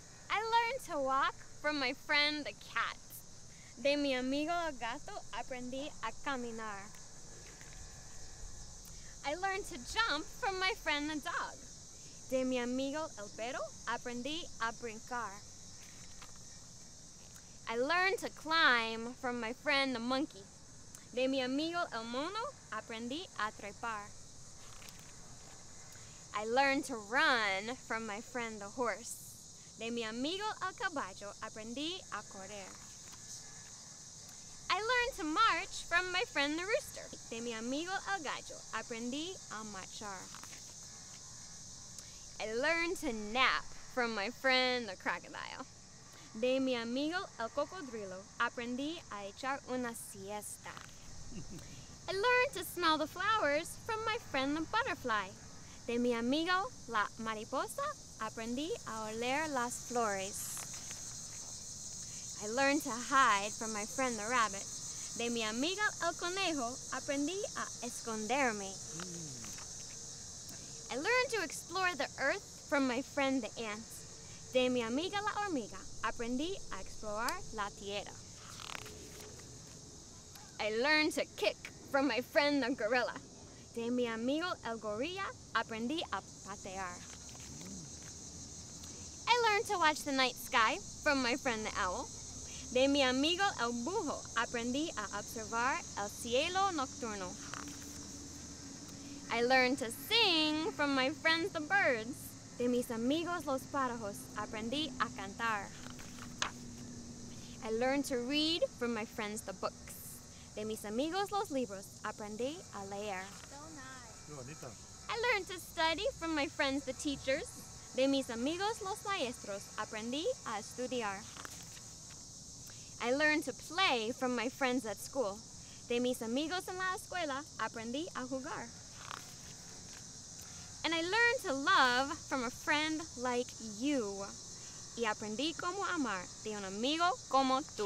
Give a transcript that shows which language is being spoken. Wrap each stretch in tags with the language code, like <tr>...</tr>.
<en>I learned to walk from my friend the cat.</en> <es>De mi amigo el gato aprendí a caminar.</es> <en>I learned to jump from my friend the dog.</en> <es>De mi amigo el perro aprendí a brincar.</es> <en>I learned to climb from my friend the monkey.</en> <es>De mi amigo el mono, aprendí a trepar.</es> <en>I learned to run from my friend the horse.</en> <es>De mi amigo el caballo, aprendí a correr.</es> <en>I learned to march from my friend the rooster.</en> <es>De mi amigo el gallo, aprendí a marchar.</es> <en>I learned to nap from my friend the crocodile.</en> <es>De mi amigo el cocodrilo, aprendí a echar una siesta.</es> <en>I learned to smell the flowers from my friend the butterfly.</en> <es>De mi amigo la mariposa, aprendí a oler las flores.</es> <en>I learned to hide from my friend the rabbit.</en> <es>De mi amigo el conejo, aprendí a esconderme.</es> <en>I learned to explore the earth from my friend the ant.</en> <es>De mi amiga la hormiga, aprendí a explorar la tierra.</es> <en>I learned to kick from my friend the gorilla.</en> <es>De mi amigo el gorilla, aprendí a patear.</es> <en>I learned to watch the night sky from my friend the owl.</en> <es>De mi amigo el búho, aprendí a observar el cielo nocturno.</es> <en>I learned to sing from my friends the birds.</en> <es>De mis amigos los pájaros, aprendí a cantar.</es> <en>I learned to read from my friends the books.</en> <es>De mis amigos los libros, aprendí a leer.</es> <en>So nice. I learned to study from my friends the teachers.</en> <es>De mis amigos los maestros, aprendí a estudiar.</es> <en>I learned to play from my friends at school.</en> <es>De mis amigos en la escuela, aprendí a jugar.</es> <en>And I learned to love from a friend like you.</en> <es>Y aprendí cómo amar de un amigo como tú.</es>